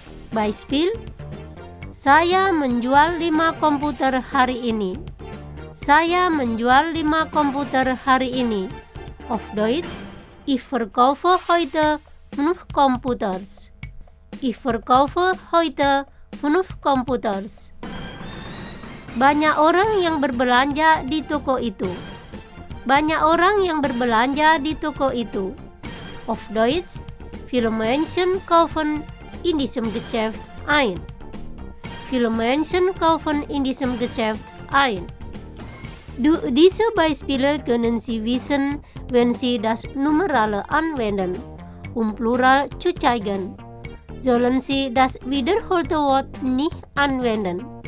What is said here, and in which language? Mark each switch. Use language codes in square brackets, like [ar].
[id] Beispiel, saya menjual lima komputer hari ini. Saya menjual lima komputer hari ini. [de] Auf Deutsch, ich verkaufe heute fünf computers. Ich verkaufe heute fünf computers. [id] Banyak orang yang berbelanja di toko itu. Banyak orang yang berbelanja di toko itu. [de] Auf Deutsch: Viele Menschen kaufen in diesem Geschäft ein. Viele Menschen kaufen in diesem Geschäft ein. Durch diese Beispiele können Sie wissen, wenn Sie das Numerale anwenden, Plural zu zeigen, sollen Sie das wiederholte Wort nicht anwenden.